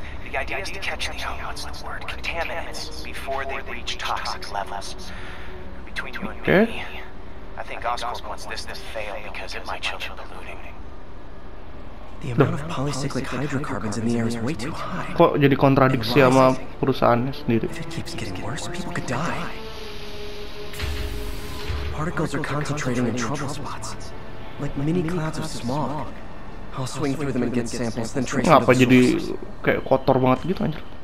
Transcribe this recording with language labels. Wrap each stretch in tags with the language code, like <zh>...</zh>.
<en>The idea is to catch the contaminants before they reach toxic levels. Between you and me, I think Oscorp wants this to fail because of my children polluting. The amount of polycyclic hydrocarbons in the air is way too high.</en> <id>Kok jadi kontradiksi sama perusahaannya sendiri?</id> <en>If it keeps getting worse, people could die. Particles are concentrating in trouble spots, like mini clouds of smog. I'll swing through them and get samples, then trace them.</en> <id>Ngapa jadi kayak kotor banget gitu anjir?</id>